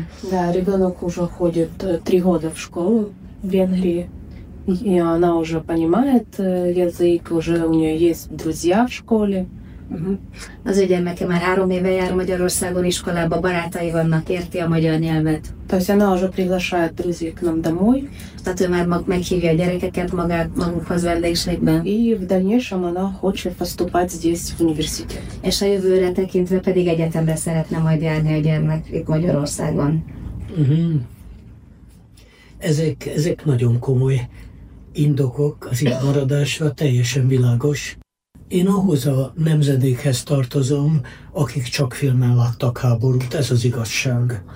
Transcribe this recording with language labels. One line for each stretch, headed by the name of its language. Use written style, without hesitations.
Russian: Да, ребенок уже ходит 3 года в школу в Венгрии. И она уже понимает язык, уже у нее есть друзья в школе. Uh-huh.
Hungarian: Az a gyermeke már 3 éve jár Magyarországon iskolába, barátai vannak, érti a magyar nyelvet. Tehát ő már
Russian: приглашает друзей к нам домой.
Hungarian: Tehát ő már meghívja a gyerekeket magát magukhoz vendégségben.
Russian: И в дальнейшем она хочет поступать здесь в университет.
Hungarian: És a jövőre tekintve pedig egyetemre szeretne majd járni a gyermek itt Magyarországon. Uh-huh. Ezek nagyon komoly indokok, az itt maradásra teljesen világos. Én ahhoz a nemzedékhez tartozom, akik csak filmen láttak háborút, ez az igazság.